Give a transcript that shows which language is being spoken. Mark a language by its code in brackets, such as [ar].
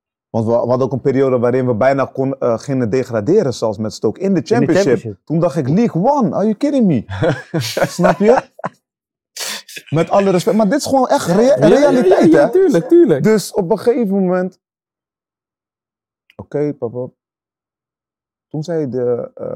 [nl] Want we hadden ook een periode waarin we bijna gingen degraderen, zoals met Stoke. In de championship. Toen dacht ik, [en] League One, are you kidding me? [nl] Snap je? Met alle respect. Maar dit is gewoon echt realiteit, hè? Ja, tuurlijk, tuurlijk. Dus op een gegeven moment... Oké, papa. Toen zei de...